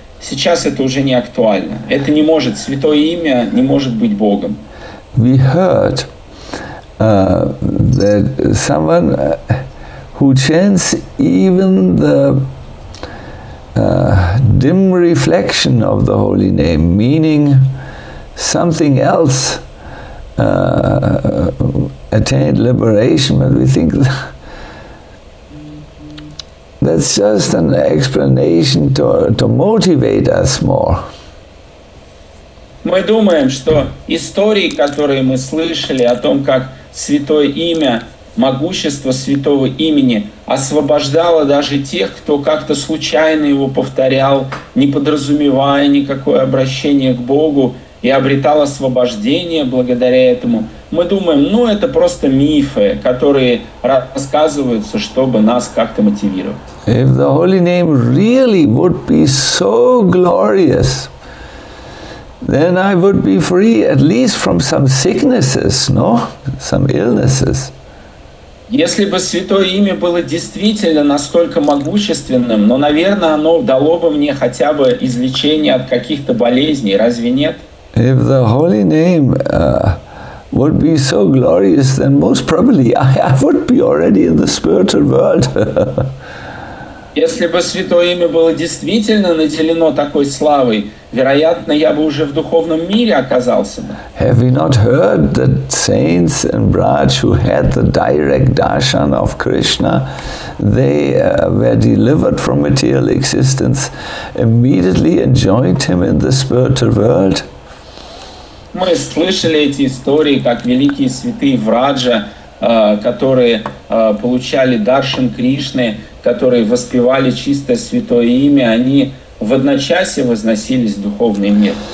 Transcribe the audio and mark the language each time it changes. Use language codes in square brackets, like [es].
[ru] Сейчас это уже не актуально. Это не может, святое имя не может быть Богом. [en] We heard that someone who chants even the dim reflection of the holy name, meaning something else, attained liberation, but we think that's just an explanation to motivate us more. [ru] Мы думаем, что истории, которые мы слышали о том, как святое имя, могущество святого имени освобождало даже тех, кто как-то случайно его повторял, не подразумевая никакое обращение к Богу, и обретал освобождение благодаря этому. Мы думаем, ну это просто мифы, которые рассказываются, чтобы нас как-то мотивировать. [en] If the holy name really would be so glorious, then I would be free at least from some sicknesses, no? Some illnesses. [ru] Если бы святое имя было действительно настолько могущественным, но, наверное, оно дало бы мне хотя бы излечение от каких-то болезней, разве нет? [en] If the holy name would be so glorious, then most probably I would be already in the spiritual world. [ru] Если бы святое имя было действительно наделено такой славой, вероятно, я бы уже в духовном мире оказался бы. [en] Have you not heard that saints and Braj who had the direct darshan of Krishna, they were delivered from material existence, immediately and joined him in the spiritual world? [ru] Мы слышали эти истории, как великие святые Враджа, которые получали даршан Кришны, которые воспевали чистое святое имя, они в одночасье возносились в духовный мир.